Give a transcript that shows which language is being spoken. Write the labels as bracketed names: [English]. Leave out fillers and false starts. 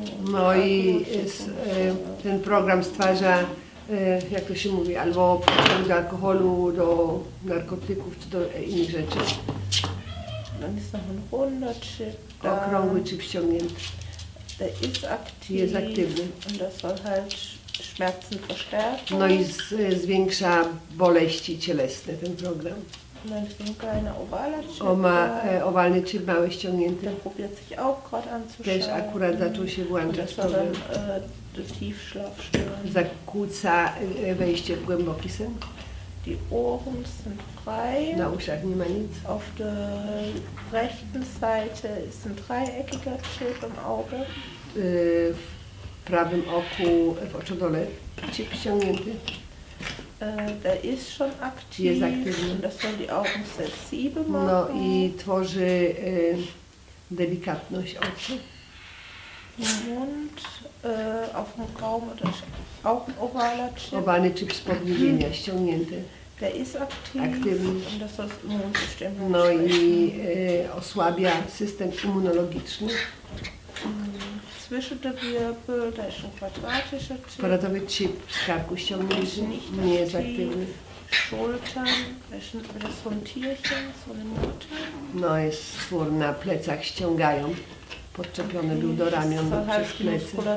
[Polish] No i jest, ten program stwarza, jak to się mówi, albo przychodzi do alkoholu, do narkotyków, czy do innych rzeczy. [German] Dann ist noch ein runder Chip. [Polish] Okrągły chip ściągnięty. [German] Der ist aktiv. [Polish] Jest aktywny. [German] Und das soll halt Schmerzen verstärken. [Polish] No i zwiększa boleści cielesne ten program. [German] Dann ist ein kleiner ovaler Chip. [Polish] Owalny chip mały ściągnięty. [German] Der probiert sich auch gerade anzuschalten. [Polish] Też akurat zaczął się włączać. [German] Und das soll dann Tiefschlaf stören. [Polish] Zakłóca wejście w głęboki sen. [German] Die Ohren sind frei. [Polish] Na uszach nie ma nic. [German] Auf der rechten Seite ist ein dreieckiger Chip im Auge. [Polish] W prawym oku, w oczodole, chip ściągnięty. [German] Der ist schon aktiv. [Polish] Jest aktywny. [German] Das soll die Augen sensibel machen. [Polish] No i tworzy delikatność oczu. [German] Mund, auf dem Gaumen, das ist auch ein ovaler chip. [Polish] Ovalny chip z podniebienia, ściągnięty. [German] Der ist aktiv. [Polish] Aktywny. [German] Und das soll das Immunsystem. [Polish] No i osłabia system immunologiczny. [German] Zwischen der Wirbel, da ist ein quadratischer Chip. [Polish] Quadratowy chip w skarku ściągnięty, nie jest aktywny. [German] Schultern, da ist so ein Tierchen, so eine Mutter. [Polish] No jest stwór na plecach, ściągają. Podczepiony był do ramion przez plecy.